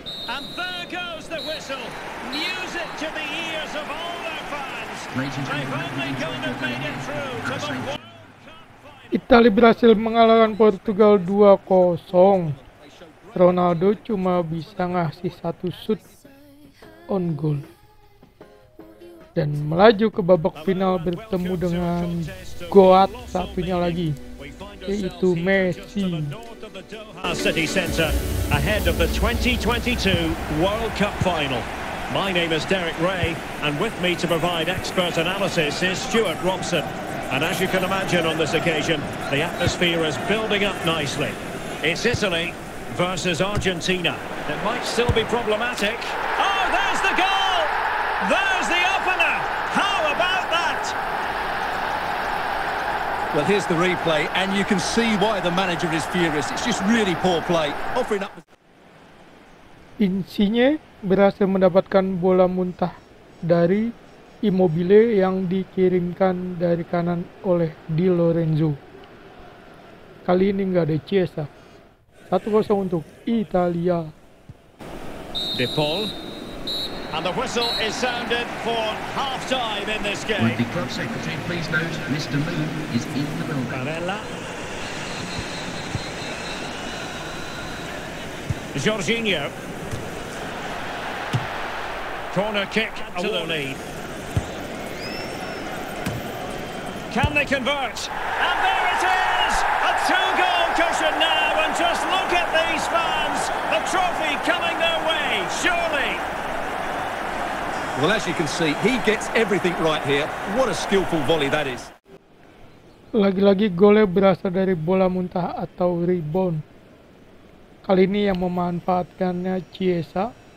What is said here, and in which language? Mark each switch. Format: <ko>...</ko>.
<en>And there goes the whistle. Music to the ears of all the fans. They've only kind of made it through to the World Cup.</en> <id>Italy berhasil mengalahkan Portugal 2-0. Ronaldo cuma bisa ngasih satu shoot on goal dan melaju ke babak final bertemu dengan goat satunya lagi, yaitu Messi.</id> <en>Doha City Centre ahead of the 2022 World Cup Final. My name is Derek Ray, and with me to provide expert analysis is Stuart Robson. And as you can imagine on this occasion, the atmosphere is building up nicely. It's Italy versus Argentina. It might still be problematic. Oh, there's the goal! There's the opener! How about that? Well, here's the replay, and you can see why the manager is furious. It's just really poor play. Offering up.</en> <id>Insigne berhasil mendapatkan bola muntah dari Immobile yang dikirimkan dari kanan oleh Di Lorenzo. Kali ini nggak ada Chiesa. 1-0 untuk Italia. De Paul.</id> <en>And the whistle is sounded for half-time in this game. Would the club secretary please note Mr. Moon is in the building. Barella. Jorginho. Corner kick to the lead. Can they convert? And there it is! A two-goal cushion now, and just look at these fans! The trophy coming their way, surely! Well, as you can see, he gets everything right here. What a skillful volley that is.</en> <id>Lagi-lagi golnya berasal dari bola muntah atau rebound. Kali ini yang memanfaatkannya Chiesa.</id>